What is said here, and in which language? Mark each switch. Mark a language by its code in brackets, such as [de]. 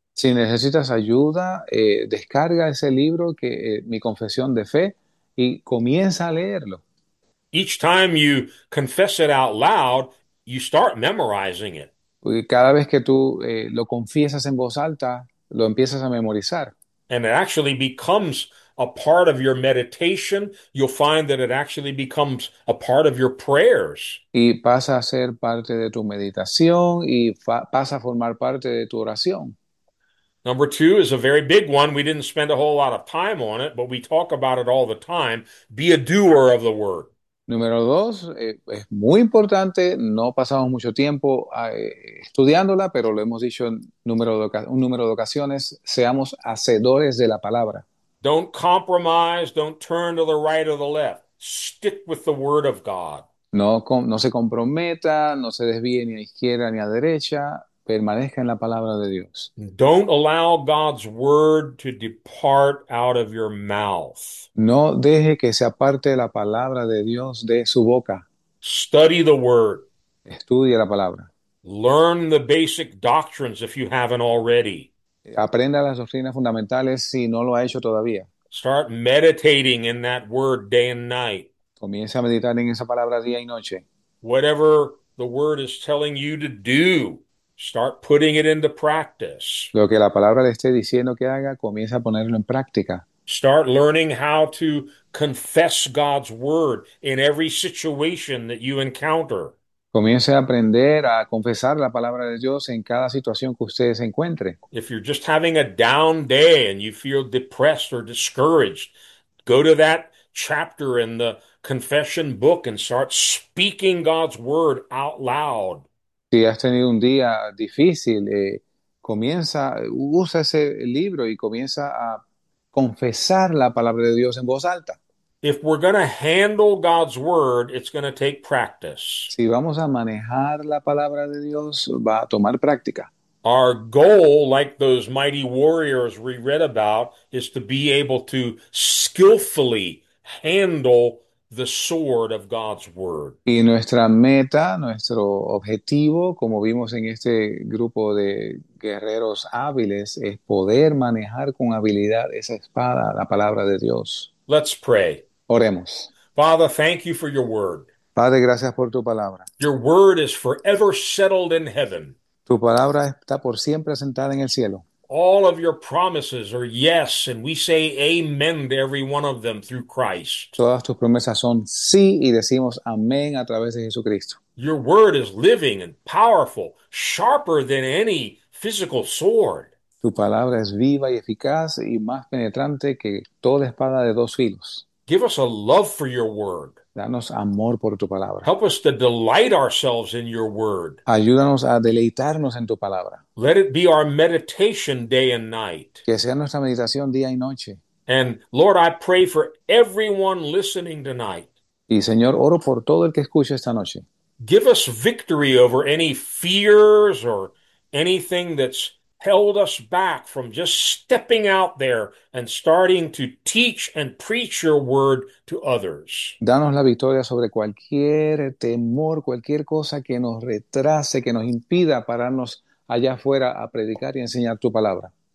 [es] Si necesitas ayuda, descarga ese libro que Mi Confesión de Fe y comienza a leerlo. [en] Each time you confess it out loud, you start memorizing it. [es] Porque cada vez que tú lo confiesas en voz alta, lo empiezas a memorizar. [en] And it actually becomes a part of your meditation. You'll find that it actually becomes a part of your prayers. [es] Y pasa a ser parte de tu meditación y pasa a formar parte de tu oración. [en] Number two is a very big one. We didn't spend a whole lot of time on it, but we talk about it all the time. Be a doer of the word. [es] Número dos, es muy importante, no pasamos mucho tiempo estudiándola, pero lo hemos dicho en un número de ocasiones, seamos hacedores de la palabra. [en] Don't compromise, don't turn to the right or the left. Stick with the word of God. [es] No se comprometa, no se desvíe ni a izquierda ni a derecha, permanezca en la palabra de Dios. [en] Don't allow God's word to depart out of your mouth. [es] No deje que se aparte la palabra de Dios de su boca. [en] Study the word. [es] Estudie la palabra. [en] Learn the basic doctrines if you haven't already. [es] Aprenda las doctrinas fundamentales si no lo ha hecho todavía. [en] Start meditating in that word day and night. [es] Comience a meditar en esa palabra día y noche. [en] Whatever the word is telling you to do, start putting it into practice. [es] Lo que la palabra le esté diciendo que haga, comience a ponerlo en práctica. [en] Start learning how to confess God's word in every situation that you encounter. [es] Comience a aprender a confesar la palabra de Dios en cada situación que usted se encuentre. [en] If you're just having a down day and you feel depressed or discouraged, go to that chapter in the confession book and start speaking God's word out loud. [es] Si has tenido un día difícil, usa ese libro y comienza a confesar la palabra de Dios en voz alta. [en] If we're going to handle God's word, it's going to take practice. [es] Si vamos a manejar la palabra de Dios, va a tomar práctica. [en] Our goal, like those mighty warriors we read about, is to be able to skillfully handle the sword of God's word. [es] Y nuestra meta, nuestro objetivo, como vimos en este grupo de guerreros hábiles, es poder manejar con habilidad esa espada, la palabra de Dios. [en] Let's pray. [es] Oremos. [en] Father, thank you for your word. [es] Padre, gracias por tu palabra. [en] Your word is forever settled in heaven. [es] Tu palabra está por siempre sentada en el cielo. [en] All of your promises are yes, and we say amen to every one of them through Christ. [es] Todas tus promesas son sí y decimos amén a través de Jesucristo. [en] Your word is living and powerful, sharper than any physical sword. [es] Tu palabra es viva y eficaz y más penetrante que toda espada de dos filos. [en] Give us a love for your word. [es] Danos amor por tu palabra. [en] Help us to delight ourselves in your word. [es] Ayúdanos a deleitarnos en tu palabra. [en] Let it be our meditation day and night. [es] Que sea nuestra meditación día y noche. [en] And Lord, I pray for everyone listening tonight. [es] Y Señor, oro por todo el que escuche esta noche. [en] Give us victory over any fears or anything that's held us back from just stepping out there and starting to teach and preach your word to others. [es] Danos la victoria sobre cualquier temor, cualquier cosa que nos retrase, que nos impida pararnos allá afuera a predicar y enseñar tu palabra.